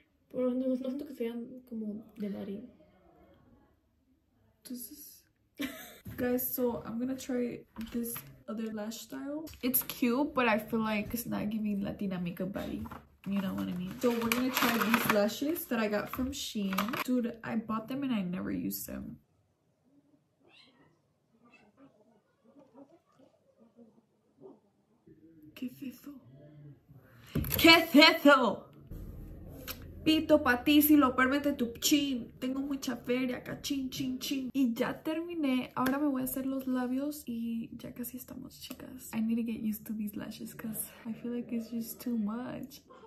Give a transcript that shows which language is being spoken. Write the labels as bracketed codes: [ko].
[es] Por lo menos no siento que sean como de Mari. Entonces. [en] Guys, so I'm gonna try this other lash style. It's cute, but I feel like it's not giving Latina makeup body. You know what I mean? So we're gonna try these lashes that I got from Shein. Dude, I bought them and I never used them. [es] ¿Qué es eso? ¿Qué es eso? Pito pa' ti si lo permite tu chin. Tengo mucha feria acá, chin, chin, chin. Y ya terminé. Ahora me voy a hacer los labios y ya casi estamos, chicas. [en] I need to get used to these lashes because I feel like it's just too much.